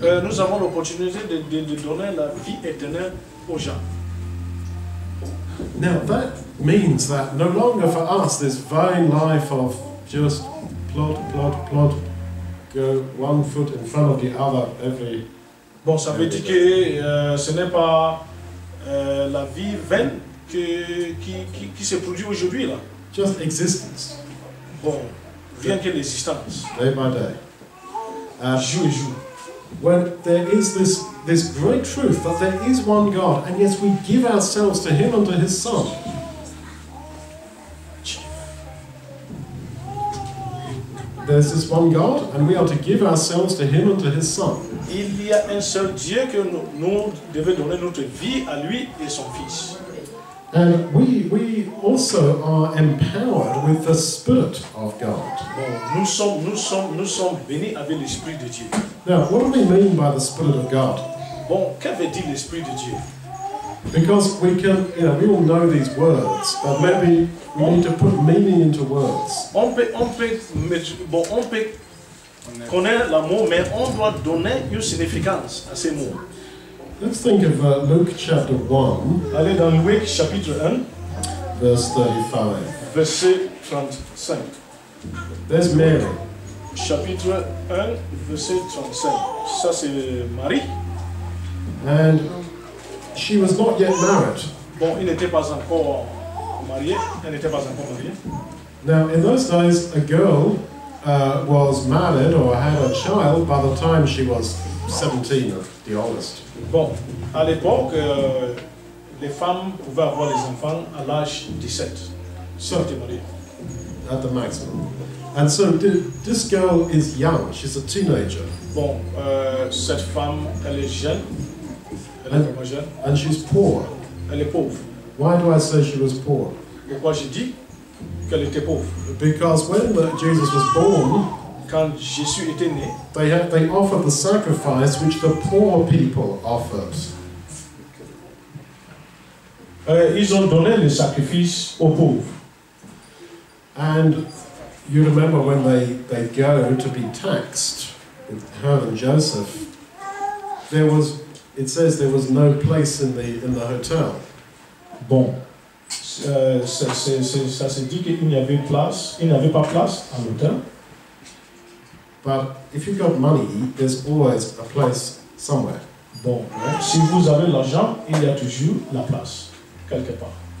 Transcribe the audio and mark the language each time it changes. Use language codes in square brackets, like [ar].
[fr] Nous avons l'opportunité de donner la vie éternelle aux gens. [en] Now that means that no longer for us this vain life of just plod, go one foot in front of the other every. [fr] Bon, ça veut dire que ce n'est pas la vie vaine qui se produit aujourd'hui là. [en] Just existence. [fr] Bon, rien que l'existence. [en] Day by day. [fr] Jour et jour. [en] When there is this great truth that there is one God, and yes, we give ourselves to Him and to His Son. There's this one God, and we are to give ourselves to Him and to His Son. [fr] Il y a un seul Dieu que nous devons donner notre vie à lui et son fils. [en] And we also are empowered with the Spirit of God. [fr] Bon, nous sommes bénis avec l'Esprit de Dieu. [en] Now, what do we mean by the Spirit of God? [fr] Bon, que veut dire l'Esprit de Dieu? [en] Because we can, you know, we all know these words, but maybe we need to put meaning into words. [fr] On peut connaître le mot, mais on doit donner une signification à ces mots. [en] Let's think of Luke chapter 1. [fr] Allez dans Luc chapitre 1. [en] Verse 35. [fr] Verset 35. [en] There's Mary. [fr] Chapitre 1, verset 35. Ça c'est Marie. [en] And she was not yet married. [fr] Bon, elle n'était pas encore mariée. Elle n'était pas encore mariée. [en] Now, in those days, a girl was married or had a child by the time she was 17 of the oldest. [fr] Bon, à l'époque, les femmes pouvaient avoir les enfants à l'âge 17. [en] At the maximum. And so this girl is young, she's a teenager. [fr] Bon, cette femme, elle est jeune. Elle est vraiment jeune. [en] And she's poor. [fr] Elle est pauvre. [en] Why do I say she was poor? [fr] Pourquoi je dis qu'elle était pauvre? [en] Because when Jesus was born, [fr] quand Jésus était né, [en] they offered the sacrifice which the poor people offered. [fr] Ils ont donné le sacrifice aux pauvres. [en] And you remember when they go to be taxed with her and Joseph, there was no place in the hotel. [fr] Bon, ça c'est dit qu'il n'y avait place, il n'y avait pas place à l'hôtel. [en] But if you've got money, there's always a place somewhere. [fr] Bon, si vous avez l'argent, il y a toujours la place, quelque part.